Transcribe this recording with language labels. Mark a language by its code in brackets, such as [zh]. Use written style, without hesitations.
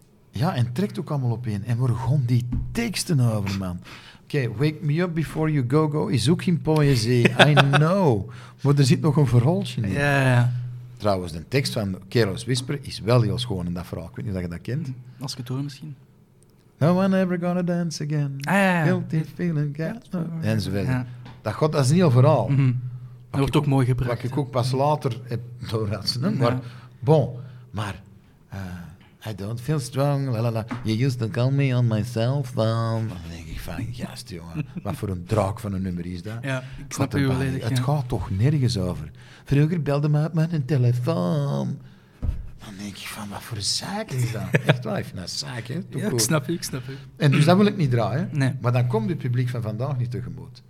[nl] Ja, en trekt ook allemaal op in. En waar gaan die teksten over, man? Oké, Wake Me Up Before You Go-Go is ook geen poëzie. [en] I know. [nl] Maar er zit nog een verhaaltje in. Ja, ja. Trouwens, de tekst van Careless Whisper is wel heel schoon in dat verhaal. Ik weet niet of je dat kent. Als ik het hoor misschien. [en] No one ever gonna dance again. Guilty feeling. [nl] Enzovoort. Ja. Dat is niet overal. Mm-hmm. Dat wordt ook mooi gebruikt. Wat ik ook pas later heb doorgaan. Maar, bon. Maar, [en] I don't feel strong. [nl] Lalala. [en] You used to call me on my cell phone. [nl] Dan denk ik van, gast, jongen. Wat voor een draak van een nummer is dat? Ja, ik snap het volledig. Het gaat toch nergens over. Vroeger belde me op mijn telefoon. Dan denk ik van, wat voor een zaak is dat? Echt wel, even een zaak, hè? Ja, ik snap je. En dus dat wil ik niet draaien. Nee. Maar dan komt het publiek van vandaag niet tegemoet.